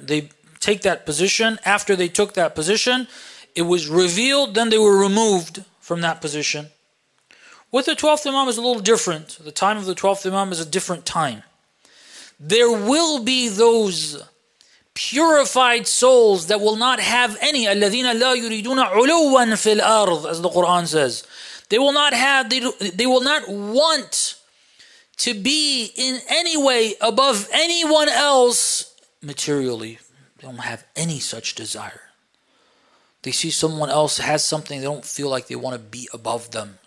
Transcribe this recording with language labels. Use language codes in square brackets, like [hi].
[en] They take that position. After they took that position, it was revealed, then they were removed from that position. With the 12th Imam is a little different. The time of the 12th Imam is a different time. There will be those purified souls that will not have any. [ar] الَّذِينَ لَا يُرِيدُونَ عُلُوًّا فِي الْأَرْضِ, [en] as the Quran says. They will not have, they will not want to be in any way above anyone else materially. They don't have any such desire. They see someone else has something, they don't feel like they want to be above them.